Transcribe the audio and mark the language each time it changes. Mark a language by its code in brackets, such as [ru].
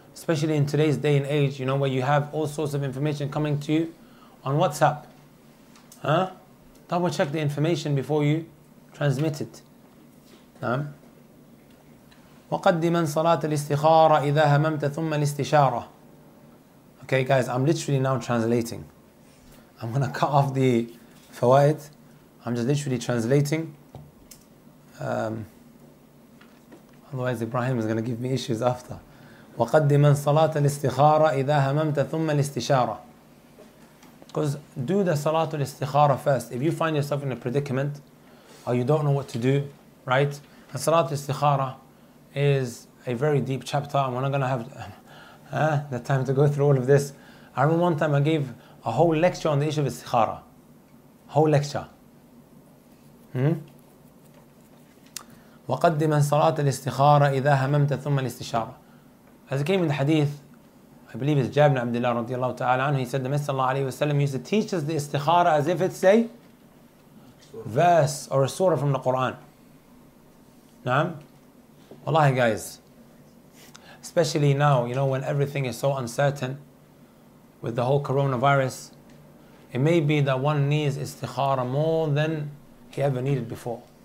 [en] Especially in today's day and age, you know, where you have all sorts of information coming to you on WhatsApp. Huh? Double check the information before you transmit it. [ar] نعم. وقدما صلاة الاستخارة إذا هممت ثم الاستشارة. [en] Okay guys, I'm literally now translating. I'm gonna cut off the فوائد. I'm just literally translating. Otherwise Ibrahim is gonna give me issues after. [ar] وقدما صلاة الاستخارة إذا هممت ثم الاستشارة. [en] Because do the صلاة الاستخارة first. If you find yourself in a predicament or you don't know what to do, right? And صلاة الاستخارة is a very deep chapter, and we're not gonna have the time to go through all of this. I remember one time I gave a whole lecture on the issue of istikhara. Whole lecture. [ar] وقدم صلاة الاستخارة إذا هممت ثم الاستشارة. [en] As it came in the hadith, I believe it's Jabir ibn Abdullah radiallahu ta'ala anhu, he said the Messenger sallallahu alayhi wa sallam used to teach us the istikhara as if it's a verse or a surah from the Quran. [ar] نعم. [en] Wallahi guys, especially now, you know, when everything is so uncertain with the whole coronavirus, it may be that one needs istikhara more than he ever needed before.